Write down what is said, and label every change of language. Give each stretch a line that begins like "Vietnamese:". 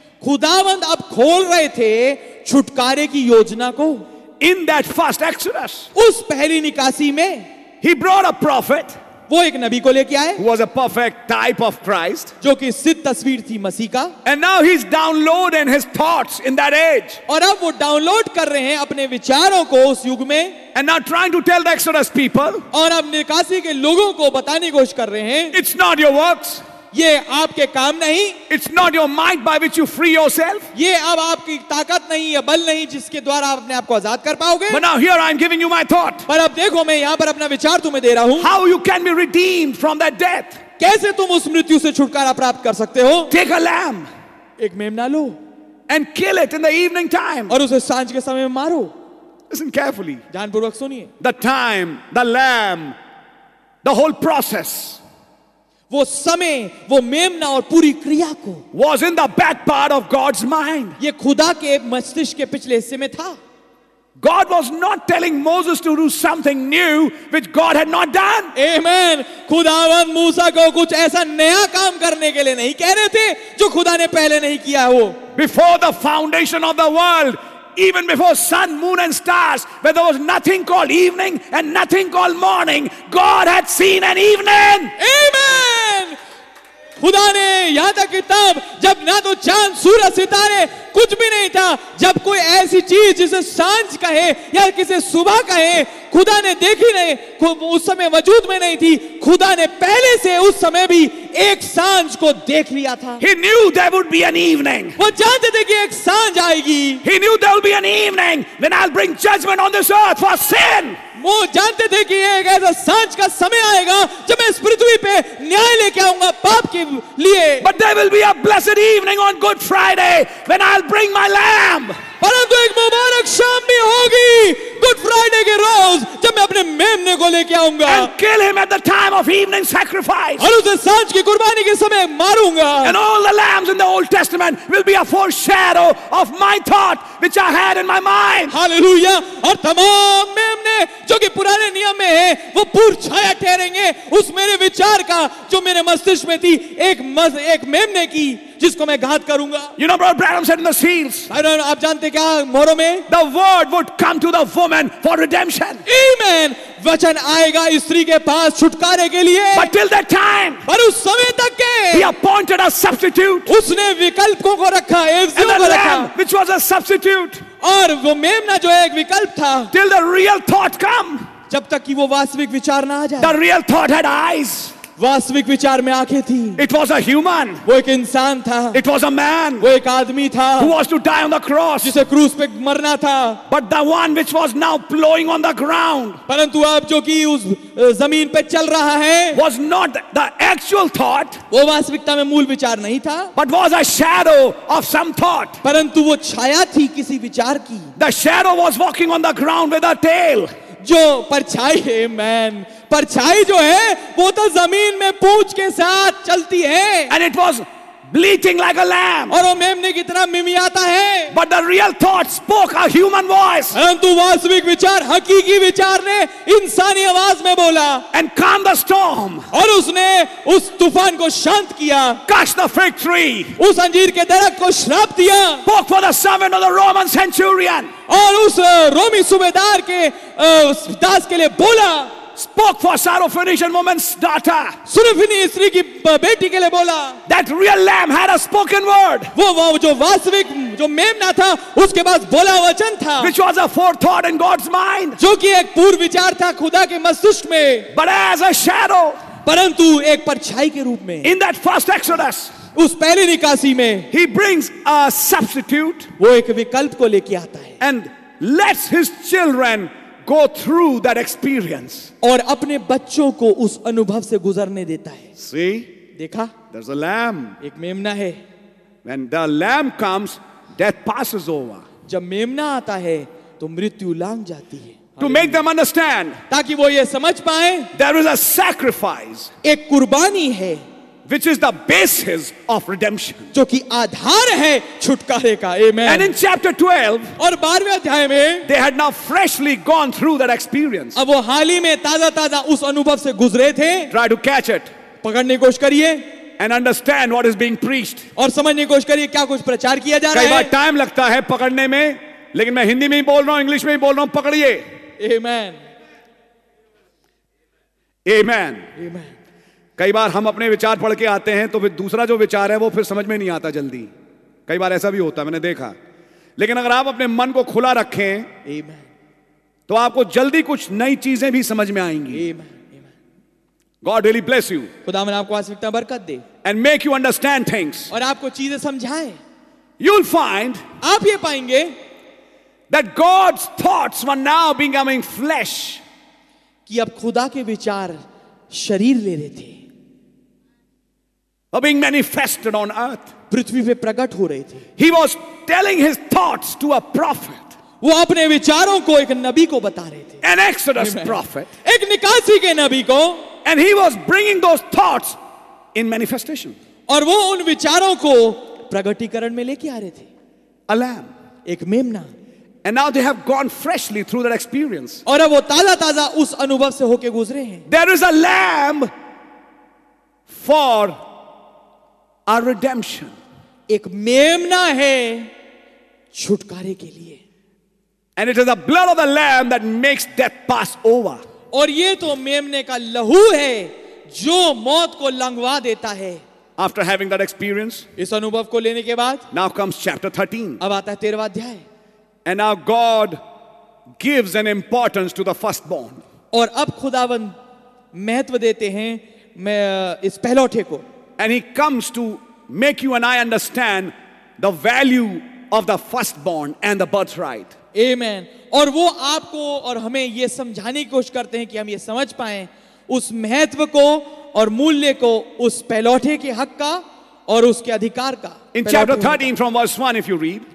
Hindi: खुदावंद अब खोल रहे थे छुटकारे की योजना को.
English: In that first Exodus,
Hindi: उस पहली निकासी में,
English: he brought a prophet,
Hindi: वो एक नबी को लेके आए,
English: who was a perfect type of Christ,
Hindi: जो कि सिद्ध तस्वीर थी मसीह का,
English: and now he's downloading his thoughts in that age,
Hindi: और अब वो डाउनलोड कर रहे हैं अपने विचारों को उस युग में,
English: and now trying to tell the Exodus people,
Hindi: और अब निकासी के लोगों को बताने की कोशिश कर रहे हैं,
English: it's not your works.
Hindi: ये आपके काम नहीं.
English: It's not your might by which you free yourself.
Hindi: ये अब आपकी ताकत नहीं या बल नहीं जिसके द्वारा आप अपने आप को आजाद कर पाओगे.
English: But now here I'm giving you my thought.
Hindi: पर अब देखो मैं यहाँ पर अपना विचार तुम्हें दे रहा हूँ.
English: How you can be redeemed from that death?
Hindi: कैसे तुम उस मृत्यु से छुटकारा प्राप्त कर सकते हो?
English: Take a lamb.
Hindi: एक मेमना लो.
English: And kill it in the evening time.
Hindi: और उसे सांझ के समय में मारो.
English: Listen carefully.
Hindi: जानपूर्वक सुनिए.
English: The time, the lamb, the whole process.
Hindi: वो समय वो मेमना और पूरी क्रिया को
English: Was in the back part of God's mind.
Hindi: ये खुदा के मस्तिष्क के पिछले हिस्से में था.
English: God was not telling Moses to do something new which God had not done. Amen.
Hindi: खुदावन मूसा को कुछ ऐसा नया काम करने के लिए नहीं कह रहे थे जो खुदा ने पहले नहीं किया हो.
English: Before the foundation of the world, even before sun, moon and stars, where there was nothing called evening and nothing called morning, God had seen an evening. Amen.
Hindi: खुदा ने यहां तक तब जब ना तो चांद सूरज सितारे कुछ भी नहीं था, जब कोई ऐसी चीज जिसे सांझ कहे या किसे सुबह कहे खुदा ने देखी नहीं, उस समय वजूद में नहीं थी. खुदा ने पहले से उस समय भी एक सांझ को देख लिया था.
English: He knew there would be an evening.
Hindi: वो जानते थे कि एक सांझ आएगी.
English: He knew there would be an evening when I'll bring judgment on this earth for sin.
Hindi: वो जानते थे कि एक ऐसा सांझ का समय आएगा जब मैं इस पृथ्वी पे न्याय लेके आऊंगा पाप के लिए.
English: But there will be a blessed evening on Good Friday when I'll bring my lamb.
Hindi: परंतु एक मुबारक शाम भी होगी गुड फ्राइडे के रोज जब मैं अपने मेमने को लेके आऊंगा.
English: And kill him at the time of evening sacrifice.
Hindi: और उसे सांझ की कुर्बानी के समय मारूंगा.
English: And all the lambs in the Old Testament will be a foreshadow of my thought which I had in my mind.
Hindi: Hallelujah. और तमाम मेमने जो कि पुराने नियम में है वो पुरछाया ठहरेंगे उस मेरे विचार का जो मेरे मस्तिष्क में थी एक मेमने की जिसको मैं घात करूंगा.
English: You know Brother Branham said in the seals.
Hindi: आप जानते क्या मोरो में?
English: The word would come to the woman for redemption. Amen.
Hindi: वचन आएगा स्त्री के पास छुटकारे के लिए.
English: But till that time.
Hindi: पर उस समय तक के.
English: He appointed a substitute.
Hindi: उसने विकल्पों को रखा.
English: And the
Hindi: को
English: lamb,
Hindi: रखा.
English: Which was a substitute.
Hindi: और वो मेमना जो एक विकल्प था.
English: Till the real thought come.
Hindi: जब तक कि वो वास्तविक विचार ना आ जाए.
English: The real thought had eyes.
Hindi: वास्तविक विचार में आंखें थी.
English: It was a human.
Hindi: वो एक इंसान था.
English: It was a man.
Hindi: वो एक आदमी था.
English: Who was to die on the cross.
Hindi: जिसे क्रूस पे मरना था.
English: But the one which was now plowing on the ground.
Hindi: परंतु अब जो कि उस जमीन पे चल रहा है.
English: Was not the actual thought.
Hindi: वो वास्तविकता में मूल विचार नहीं था.
English: But was a shadow of some thought.
Hindi: परंतु वो छाया थी किसी विचार की.
English: The shadow was walking on the ground with a tail.
Hindi: जो परछाई है मैन परछाई जो है वो तो जमीन में पूंछ के साथ चलती है.
English: And it was bleating like a lamb.
Hindi: और वो मेमने की तरह मिमियाता है.
English: But the real thought spoke a human voice.
Hindi: परंतु वास्तविक विचार हकीकी विचार ने इंसानी आवाज में बोला.
English: And calmed the storm.
Hindi: और उसने उस तूफान को शांत किया.
English: Cursed the fig tree.
Hindi: उस अंजीर के दरख्त को श्राप दिया.
English: Spoke for the servant of the Roman centurion.
Hindi: और उस रोमी सूबेदार के दास के लिए बोला.
English: Spoke for Syrophoenician woman's daughter.
Hindi: सुरफिनी स्त्री की बेटी के लिए बोला.
English: That real lamb had a spoken word.
Hindi: वो जो वास्तविक जो मेमना था उसके पास बोला वचन था.
English: Which was a forethought in God's mind.
Hindi: जो कि एक पूर्व विचार था खुदा के मस्तिष्क में.
English: But as a shadow.
Hindi: परंतु एक परछाई के रूप में.
English: In that first Exodus.
Hindi: उस पहली निकासी में.
English: He brings a substitute.
Hindi: वो एक विकल्प को लेके आता है.
English: And lets his children. Go through that experience.
Hindi: और अपने बच्चों को उस अनुभव से गुजरने देता है.
English: See?
Hindi: देखा?
English: There's a lamb.
Hindi: एक मेमना है.
English: When the lamb comes, death passes over.
Hindi: जब मेमना आता है, तो मृत्यु लांग जाती है.
English: To make them understand.
Hindi: ताकि वो ये समझ पाएं.
English: There is a sacrifice.
Hindi: एक कुर्बानी है.
English: Which is the basis of redemption.
Hindi: जो कि आधार है छुटकारे का. Amen.
English: And in chapter 12,
Hindi: और 12वें अध्याय में,
English: they had now freshly gone through that experience.
Hindi: अब वो हाल ही में ताज़ा ताज़ा उस अनुभव से गुज़रे थे.
English: Try to catch it.
Hindi: पकड़ने की कोशिश करिए.
English: and understand what is being preached.
Hindi: और समझने की कोशिश करिए क्या कुछ प्रचार किया जा रहा है. कई बार टाइम लगता है पकड़ने में, लेकिन मैं हिंदी में ही बोल रहा हूं, इंग्लिश में ही बोल रहा हूं, पकड़िए.
English: Amen. Amen. Amen.
Hindi: कई बार हम अपने विचार पढ़ के आते हैं तो फिर दूसरा जो विचार है वो फिर समझ में नहीं आता जल्दी. कई बार ऐसा भी होता है, मैंने देखा. लेकिन अगर आप अपने मन को खुला रखें,
English: Amen.
Hindi: तो आपको जल्दी कुछ नई चीजें भी समझ में आएंगी.
English: Amen. Amen. God really bless you.
Hindi: खुदा मैंने आपको आशीष इतना बरकत दे.
English: And make you understand things.
Hindi: और आपको चीजें समझाए.
English: You'll find.
Hindi: आप ये पाएंगे.
English: That God's thoughts were now becoming flesh.
Hindi: कि अब खुदा के विचार शरीर ले रहे थे.
English: Were being manifested on earth.
Hindi: पृथ्वी पे प्रकट हो रहे थे.
English: He was telling his thoughts to a prophet.
Hindi: वो अपने विचारों को एक नबी को बता रहे थे.
English: An Exodus prophet.
Hindi: एक निकासी के नबी को.
English: And he was bringing those thoughts in manifestation.
Hindi: और वो उन विचारों को प्रगटीकरण में लेके आ रहे थे.
English: A lamb.
Hindi: एक मेमना.
English: And now they have gone freshly through that experience.
Hindi: और अब वो ताज़ा उस अनुभव से होके गुजरे हैं.
English: There is a lamb for our redemption.
Hindi: एक मेमना है छुटकारे के लिए.
English: And it is the blood of the lamb that makes death pass over.
Hindi: और ये तो मेमने का लहू है जो मौत को लंगवा देता है.
English: After having that experience,
Hindi: इस अनुभव को लेने के बाद,
English: now comes chapter 13.
Hindi: अब आता है 13वां अध्याय.
English: And now God gives an importance to the firstborn.
Hindi: और अब खुदावन महत्व देते हैं इस पहलौठे को.
English: And he comes to make you and I understand the value of the firstborn and the birthright. Amen.
Hindi: और वो आपको और हमें ये समझाने की कोशिश करते हैं कि हम ये समझ पाएं उस महत्व को और मूल्य को उस पहलौठे के हक का और उसके अधिकार का.
English: In chapter 13 from verse 1 if you read.